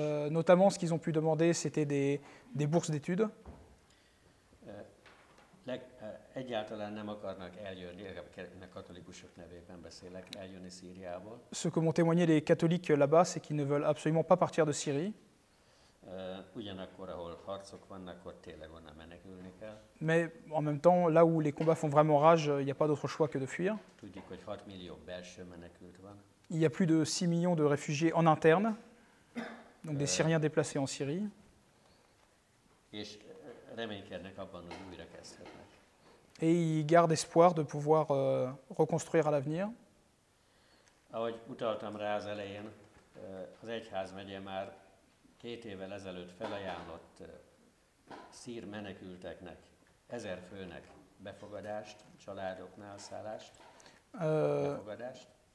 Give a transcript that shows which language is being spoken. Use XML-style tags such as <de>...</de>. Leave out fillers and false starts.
<fr>Notamment, ce qu'ils ont pu demander, c'était des bourses d'études.</fr> <hu>egyáltalán nem akarnak eljönni, a katolikusok nevében beszélek, eljönni Szíriából.</hu> <fr>Ce que m'ont témoigné les catholiques là-bas, c'est qu'ils ne veulent absolument pas partir de Syrie.</fr> <hu>Ugyanakkor, ahol harcok vannak, ott tényleg onnan menekülni kell.</hu> <fr>Mais en même temps, là où les combats font vraiment rage, il n'y a pas d'autre choix que de fuir.</fr> <hu>Tudjuk, hogy 6 millió belső menekült van.</hu> <fr>Il y a plus de 6 millions de réfugiés en interne, donc des Syriens déplacés en Syrie.</fr> <hu>És reménykednek abban, hogy újrakezdhetnek.</hu> <fr>Et ils gardent espoir de pouvoir reconstruire à l'avenir.</fr> <hu>Ahogy utaltam rá az elején, az egyház megye már két évvel ezelőtt felajánlott szír menekülteknek 1000 főnek befogadást, családoknál szállást, befogadást.</hu>